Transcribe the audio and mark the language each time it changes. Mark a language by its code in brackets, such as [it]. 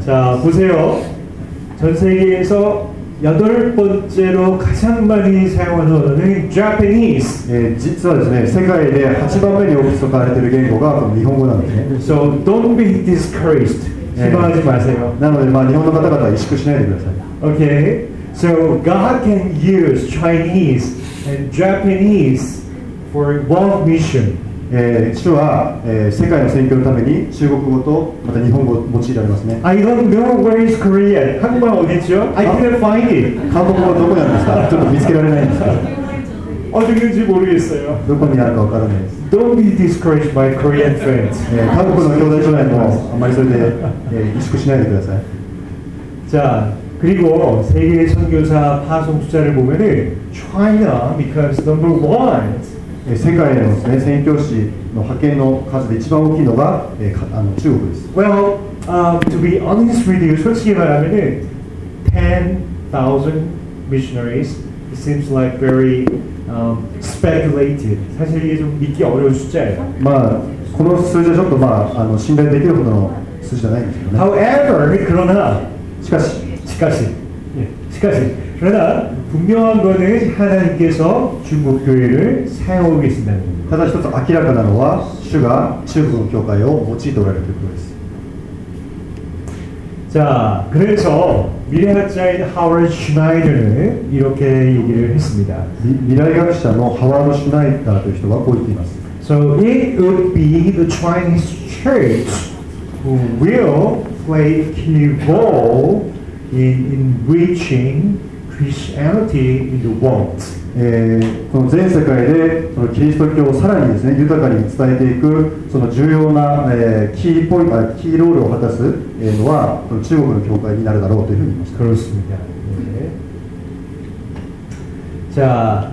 [ko] 자、보세요。 전세계에서8번째로가장많이사용하는언어는 Japanese. [ja] 実はですね、世界で8番目に多く使われている言語が日本語なんですね。 [en] So don't be discouraged. [ko] 失望하지마세요。 [ja] なので、まあ、日本の方々は萎縮しないでください。 [en] Okay. So God can use Chinese and Japanese for one mission. [ja] 主は、世界の宣教のために中国語とまた日本語を用いられますね [en] I don't know where is Korea [ko] 한국말어디죠 [en] I can't find it [ja] 韓国語はどこにあるんですかちょっと見つけられないんですか [ko] 어디는지모르겠어요 [ja] どこにあるか分からないです [en] Don't be discouraged by Korean friends [ja] 韓国の兄弟姉妹もあんまりそれで萎縮しないでくださいじゃあ [ko] 그리고세계선교사파송숫자를보면은 [en] China becomes number one [ja] 世界の、ね、宣教師の派遣の数で一番大きいのが、中国です [en] Well, to be honest with you, [ko] 솔직히말하면 [en] 10,000 missionaries seems like very speculated [ko] 사실이게좀믿기어려운숫자예요 [ja] まあこの数字はちょっと、まあ、信頼できるほどの数字じゃないんですけどね [en] However, [ko] 그러나 [ja] しかししかし、しかし、 [ko] 그러나분명한것은하나님께서중국교회를사용하고계신다는 [ja] ただ一つ明らかなのは主が中国の教会を用いておられるということです [ko] 자그래서미래학자인하워드슈나이더는이렇게얘기를했습니다 미래학자 [ja] のハワード・シュナイダーという人はこう言っています [en] So it would be the Chinese church who will play a key role in reaching Christianity in the world. [ja] この全世界でそのキリスト教をさらにですね豊かに伝えていくその重要な、キーロールを果たす、のはこの中国の教会になるだろうというふうに言いました。 [ko] 그렇습니다。